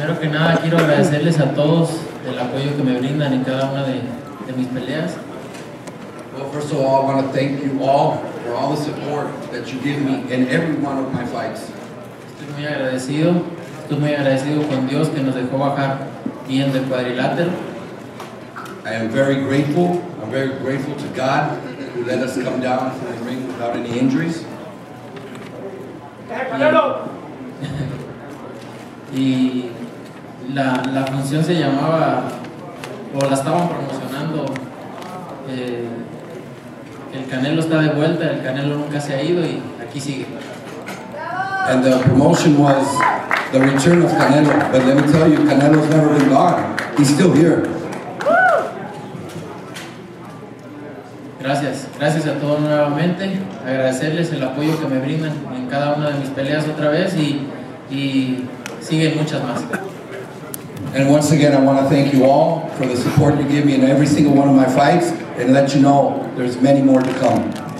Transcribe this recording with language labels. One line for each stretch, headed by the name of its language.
Spanish: Nada, quiero agradecerles a todos el apoyo que me brindan en cada una de mis peleas.
English: Well, first of all, I want to thank you all for all the support that you give me in every one of my fights.
Spanish: Estoy muy agradecido con Dios que nos dejó bajar bien del cuadrilátero.
English: I am very grateful. I'm very grateful to God who let us come down from the ring without any injuries.
Spanish: Y La función se llamaba, o la estaban promocionando, el Canelo está de vuelta, el Canelo nunca se ha ido y aquí sigue.
English: And the promotion was the return of Canelo, but let me tell you, Canelo's never been gone, he's still here.
Spanish: Gracias. Gracias a todos nuevamente. Agradecerles el apoyo que me brindan en cada una de mis peleas otra vez y siguen muchas más.
English: And once again, I want to thank you all for the support you give me in every single one of my fights and let you know there's many more to come.